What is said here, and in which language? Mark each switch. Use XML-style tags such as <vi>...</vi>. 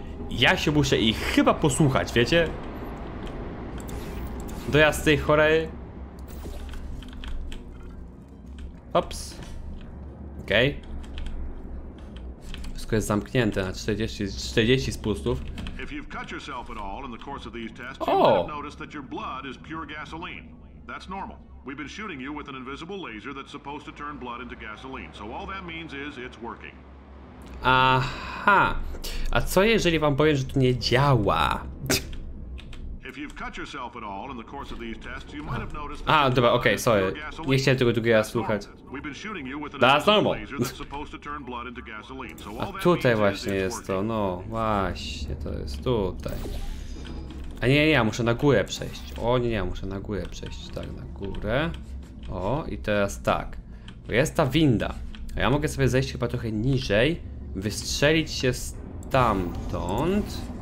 <pl>Ja się muszę ich chyba posłuchać, wiecie? Dojazd tej chorej. Ops. Okej. Okay. Wszystko jest zamknięte na 40 spustów.</pl> <en>If you've cut yourself at all in the course of these tests, you might have noticed that your blood is pure gasoline. That's normal. We've been shooting you with an invisible laser that's supposed to turn blood into gasoline. So all that means is it's working. Aha.</en> <pl>A co jeżeli wam powiem, że to nie działa?</pl> <en>If you've cut yourself at all in the course of these tests, you might have noticed that.</en> <pl>A, dobra, okej,</pl> <en>okay, sorry.</en> <pl>Nie chciałem tego drugiego słuchać.</pl> <en>We've been shooting you with an invisible laser that's supposed to turn blood into gasoline. So all that means</en> <pl>właśnie jest to, no właśnie, to jest tutaj. A nie, ja muszę na górę przejść. O nie, ja muszę na górę przejść. Tak, na górę. O, i teraz tak. Bo jest ta winda. A ja mogę sobie zejść chyba trochę niżej. Wystrzelić się stamtąd.</pl>